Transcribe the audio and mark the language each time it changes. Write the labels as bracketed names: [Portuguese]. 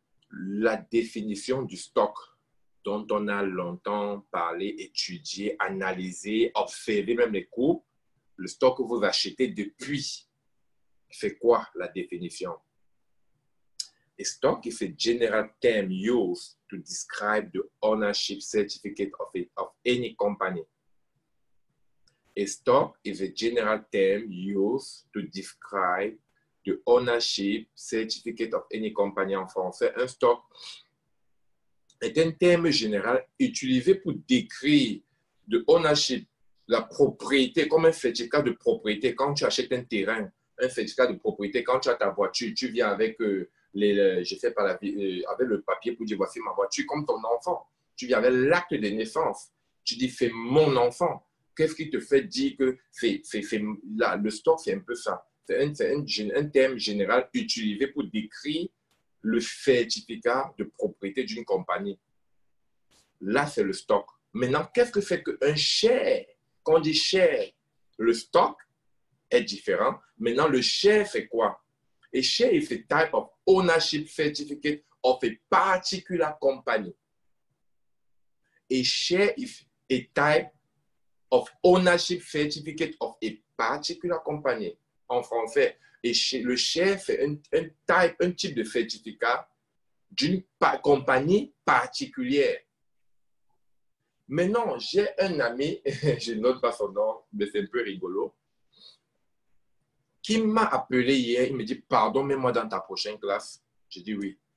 [French] La définition du stock dont on a longtemps parlé, étudié, analysé, observé, même les cours, le stock que vous achetez depuis. C'est quoi la définition? [English] A stock is a general term used to describe the ownership certificate of any company. A stock is a general term used to describe the ownership certificate of any company [French] en français. Un stock est un terme général utilisé pour décrire le ownership, la propriété, comme un certificat de propriété quand tu achètes un terrain. Un certificat de propriété, quand tu as ta voiture, tu viens avec, avec le papier pour dire voici ma voiture, comme ton enfant. Tu viens avec l'acte de naissance. Tu dis c'est mon enfant. Qu'est-ce qui te fait dire que c'est là, le stock, c'est un peu ça. C'est un terme général utilisé pour décrire le certificat de propriété d'une compagnie. Là, c'est le stock. Maintenant, qu'est-ce que fait qu'un share, quand on dit share, le stock, est différent. Maintenant, le share, c'est quoi? [English] A share is a type of ownership certificate of a particular company. A share is a type of ownership certificate of a particular company. [French] En français, le share, c'est un type de certificat d'une compagnie particulière. Maintenant, j'ai un ami, je ne note pas son nom, mais c'est un peu rigolo, qui m'a appelé hier, il me dit, pardon, mets-moi dans ta prochaine classe. J'ai dit oui.